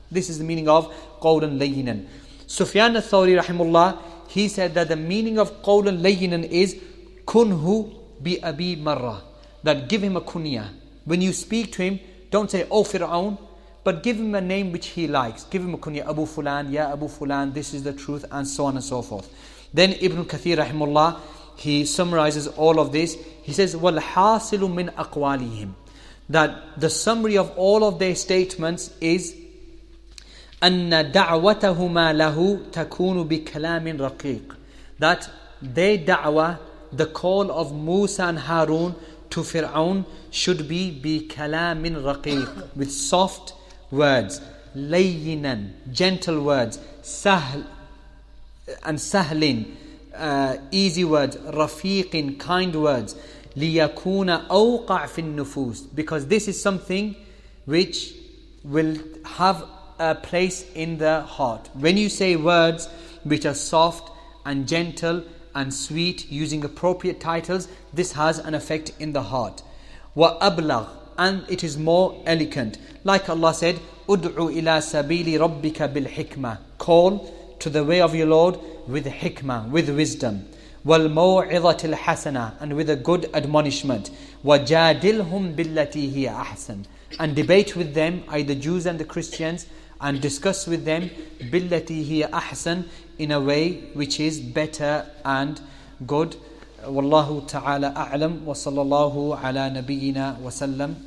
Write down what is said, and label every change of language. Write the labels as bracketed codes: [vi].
[en] This is the meaning of [ar] قَوْلًا لَيِّنًا. [en] Sufyan al-Thawri rahimullah, he said that the meaning of قَوْلًا لَيِّنًا is [ar] كُنْهُ بِأَبِي مَرَّةٍ. [en] That give him a kunya. When you speak to him, don't say, Oh Fir'aun, but give him a name which he likes. Give him a kunya, Abu Fulan, Ya Abu Fulan, this is the truth, and so on and so forth. Then Ibn Kathir rahimullah, he summarizes all of this. He says, [ar] وَالْحَاصِلُ مِنْ أَقْوَالِهِمْ. [en] That the summary of all of their statements is [ar] أَنَّ دَعْوَتَهُمَا لَهُ تَكُونُ بِكَلَامٍ رَقِيقٍ. [en] That their da'wah, the call of Musa and Harun to Fir'aun, should be [ar] بِكَلَامٍ رَقِيقٍ, [en] with soft words, لَيِّنًا, gentle words, سَهْل and سَهْلٍ, easy words, رَفِيقٍ, kind words, [ar] لِيَكُونَ أَوْقَعْ فِي النُّفُوسِ. [en] Because this is something which will have a place in the heart. When you say words which are soft and gentle and sweet, using appropriate titles, this has an effect in the heart. [ar] وَأَبْلَغْ, [en] and it is more eloquent. Like Allah said, [ar] أُدْعُوا إِلَى سَبِيلِ رَبِّكَ بِالْحِكْمَةِ. [en] Call to the way of your Lord with hikmah, with wisdom. [ar] وَالْمَوْعِظَةِ الْحَسَنَةِ, [en] and with a good admonishment. [ar] وَجَادِلْهُمْ بِالَّتِي هِيَ أَحْسَنِ, [en] and debate with them, either Jews and the Christians, and discuss with them, [ar] بِالَّتِي هِيَ أَحْسَنِ, [en] in a way which is better and good. [ar] وَاللَّهُ تَعَالَى أَعْلَمُ وَصَلَى اللَّهُ عَلَى نَبِيِّنَا وَسَلَّمُ.